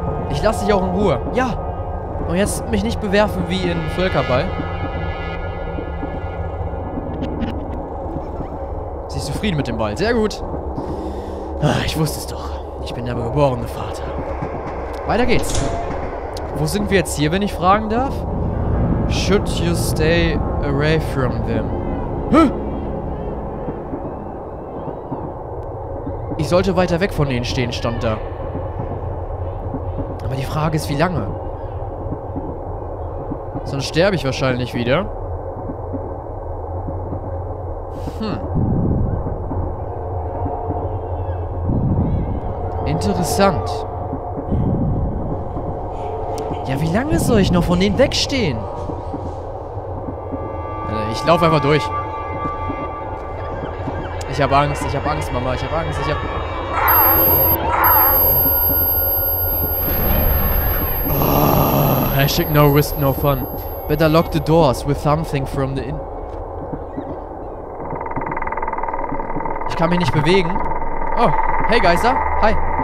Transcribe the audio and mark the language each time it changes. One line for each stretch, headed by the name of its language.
German: Ich lass dich auch in Ruhe. Ja. Und jetzt mich nicht bewerfen wie in Völkerball. Sie ist zufrieden mit dem Ball. Sehr gut. Ach, ich wusste es doch. Ich bin der geborene Vater. Weiter geht's. Wo sind wir jetzt hier, wenn ich fragen darf?
English: Should you stay away from them?
German: Ich sollte weiter weg von ihnen stehen, stand da. Aber die Frage ist, wie lange? Sonst sterbe ich wahrscheinlich wieder. Interessant. Ja, wie lange soll ich noch von denen wegstehen? Ich laufe einfach durch. Ich habe Angst, Mama.
English: Hashtag no risk, no fun. Better lock the doors with something from the in.
German: Ich kann mich nicht bewegen. Oh, hey Geister. Hi.